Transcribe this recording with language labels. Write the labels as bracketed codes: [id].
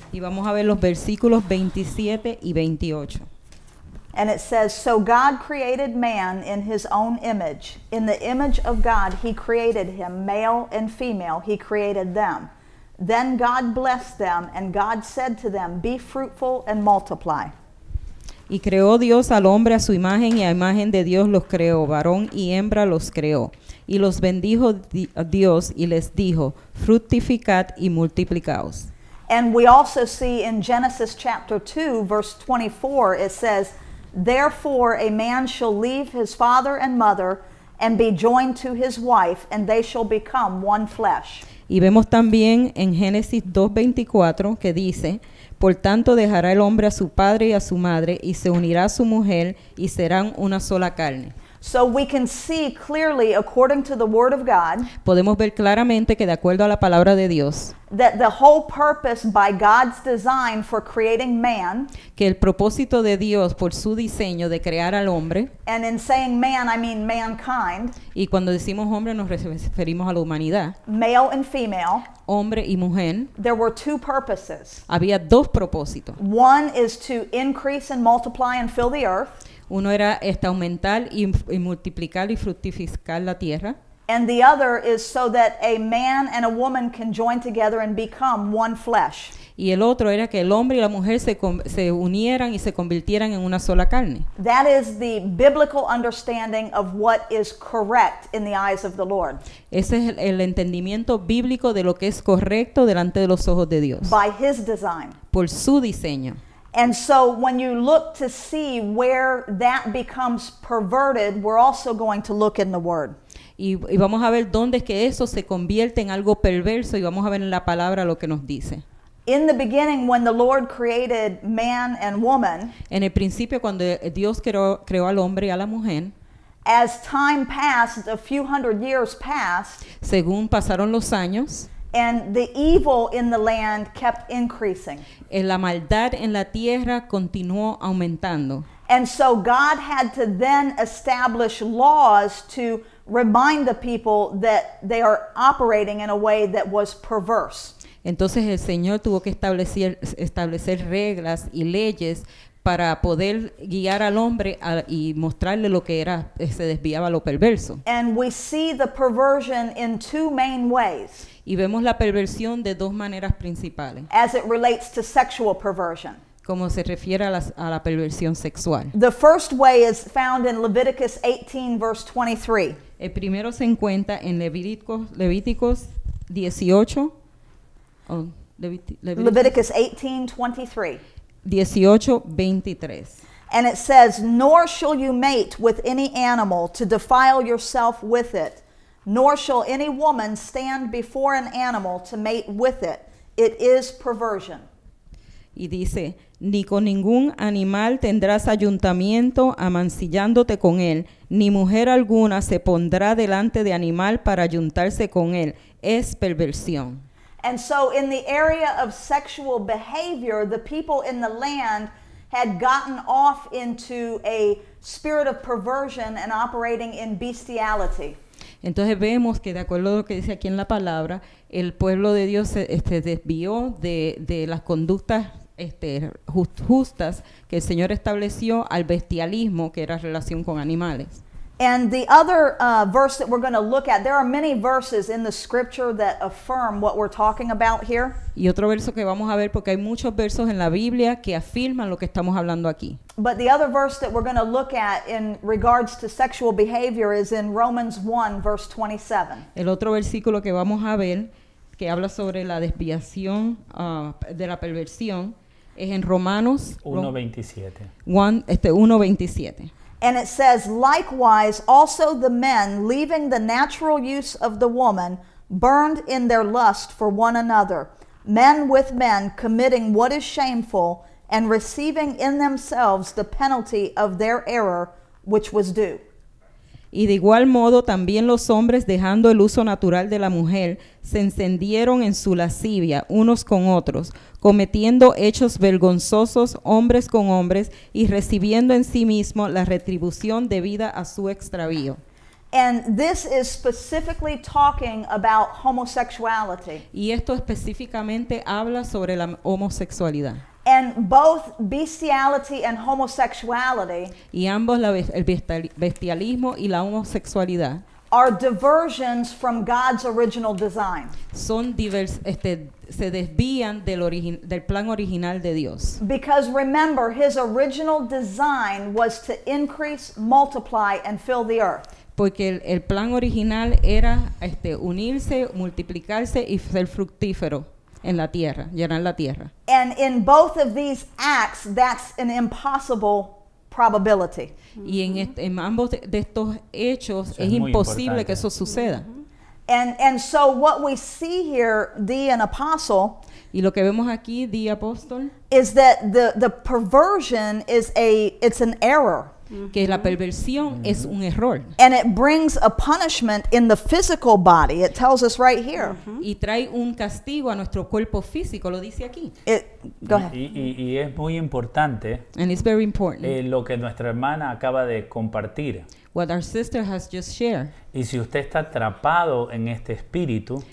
[es] Y vamos a ver los versículos 27 y 28. [en] And it says, so God created man in his own image. In the image of God, he created him, male and female, he created them. Then God blessed them, and God said to them, be fruitful and multiply. [es] Y creó Dios al hombre a su imagen, y a imagen de Dios los creó, varón y hembra los creó. Y los bendijo Dios, y les dijo, fructificad y multiplicaos. [en] And we also see in Genesis chapter 2, verse 24, it says, therefore a man shall leave his father and mother, and be joined to his wife, and they shall become one flesh. [es] Y vemos también en Génesis 2:24 que dice, por tanto dejará el hombre a su padre y a su madre y se unirá a su mujer y serán una sola carne. [en] So we can see clearly according to the word of God. [es] Podemos ver claramente que de acuerdo a la palabra de Dios. [en] That the whole purpose by God's design for creating man. [es] Que el propósito de Dios por su diseño de crear al hombre. [en] And in saying man, I mean mankind. [es] Y cuando decimos hombre nos referimos a la humanidad. [en] Male and female. [es] Hombre y mujer. [en] There were two purposes. [es] Había dos propósitos. [en] One is to increase and multiply and fill the earth. [es] Uno era aumentar y multiplicar y fructificar la tierra. [en] And the other is so that a man and a woman can join together and become one flesh. [es] Y el otro era que el hombre y la mujer se unieran y se convirtieran en una sola carne. [en] That is the biblical understanding of what is correct in the eyes of the Lord. [es] Ese es el entendimiento bíblico de lo que es correcto delante de los ojos de Dios. [en] By his design. [es] Por su diseño. [en] And so when you look to see where that becomes perverted, we're also going to look in the Word. [es] Y vamos a ver dónde es que eso se convierte en algo perverso y vamos a ver en la palabra lo que nos dice. [en] In the beginning, when the Lord created man and woman, [es] en el principio cuando Dios creó al hombre y a la mujer, [en] as time passed, a few hundred years passed, [es] según pasaron los años, [en] and the evil in the land kept increasing. [es] La maldad en la tierra continuó aumentando. [en] And so God had to then establish laws to remind the people that they are operating in a way that was perverse. [es] Entonces el Señor tuvo que establecer reglas y leyes para poder guiar al hombre y mostrarle lo que era, se desviaba lo perverso. [en] And we see the perversion in two main ways. [es] Y vemos la perversión de dos maneras principales. [en] As it relates to sexual perversion. [es] Como se refiere a la perversión sexual. [en] The first way is found in Leviticus 18, verse 23. [es] El primero se encuentra en Levíticos 18. [en] Leviticus 18, 23. [es] 18, 23. [en] And it says, nor shall you mate with any animal to defile yourself with it. Nor shall any woman stand before an animal to mate with it. It is perversion. [es] Y dice, ni con ningún animal tendrás ayuntamiento amancillándote con él, ni mujer alguna se pondrá delante de animal para ayuntarse con él. Es perversión. [en] And so in the area of sexual behavior, the people in the land had gotten off into a spirit of perversion and operating in bestiality. [es] Entonces vemos que de acuerdo a lo que dice aquí en la palabra, el pueblo de Dios se desvió de las conductas justas que el Señor estableció al bestialismo, que era relación con animales. [en] And the other verse that we're going to look at, there are many verses in the scripture that affirm what we're talking about here. [es] Y otro verso que vamos a ver, porque hay muchos versos en la Biblia que afirman lo que estamos hablando aquí. [en] But the other verse that we're going to look at in regards to sexual behavior is in Romans 1, verse 27. [es] El otro versículo que vamos a ver, que habla sobre la desviación de la perversión, es en Romanos 1:27. [en] And it says, likewise, also the men, leaving the natural use of the woman, burned in their lust for one another, men with men, committing what is shameful, and receiving in themselves the penalty of their error, which was due. [es] Y de igual modo también los hombres, dejando el uso natural de la mujer, se encendieron en su lascivia unos con otros, cometiendo hechos vergonzosos hombres con hombres y recibiendo en sí mismo la retribución debida a su extravío. [en] And this is specifically talking about homosexuality. [es] Y esto específicamente habla sobre la homosexualidad. [en] And both bestiality and homosexuality. [es] Y ambos el bestialismo y la homosexualidad. [en] Are diversions from God's original design. [es] Son se desvían del plan original de Dios. [en] Because remember, his original design was to increase, multiply, and fill the earth. [es] Porque el plan original era unirse, multiplicarse y ser fructífero en la tierra, llenar la tierra. [en] And in both of these acts, that's an impossible probability. Mm-hmm. [es] Y en ambos de estos hechos eso es imposible que eso suceda. Mm-hmm. [en] And so what we see here, an apostle, [es] y lo que vemos aquí, the apóstol, [en] is that the perversion is it's an error. [es] Que la perversión mm-hmm. es un error. [en] And it brings a punishment in the physical body. It tells us right here. Mm-hmm. [es] Y trae un castigo a nuestro cuerpo físico, lo dice aquí. Y es muy importante. [en] And it's very important. [es] Lo que nuestra hermana acaba de compartir. [en] What our sister has just shared. [es] Y si usted está atrapado en este espíritu,